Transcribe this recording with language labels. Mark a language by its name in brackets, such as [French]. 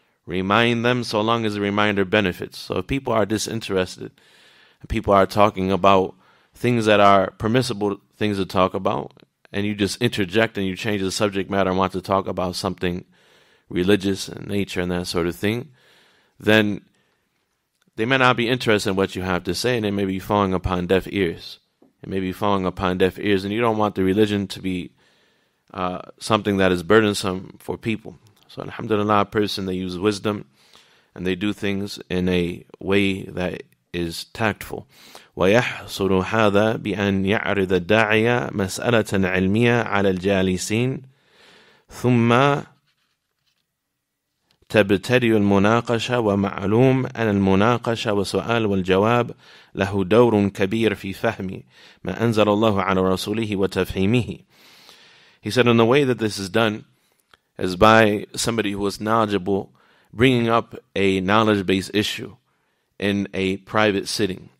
[English] Remind them so long as the reminder benefits. So if people are disinterested, and people are talking about things that are permissible things to talk about, and you just interject and you change the subject matter and want to talk about something religious in nature and that sort of thing, then they may not be interested in what you have to say, and it may be falling upon deaf ears. It may be falling upon deaf ears, and you don't want the religion to be something that is burdensome for people. So alhamdulillah, a person, they use wisdom and they do things in a way that is tactful. [Arabic] ويحصل هذا بأن يعرض الداعية مسألة علمية على الجالسين ثم تبتدي المناقشة ومعلوم أن المناقشة وسؤال والجواب له دور كبير في فهم ما أنزل الله على رسوله وتفهيمه. [English] He said, in the way that this is done is by somebody who is knowledgeable bringing up a knowledge-based issue in a private sitting.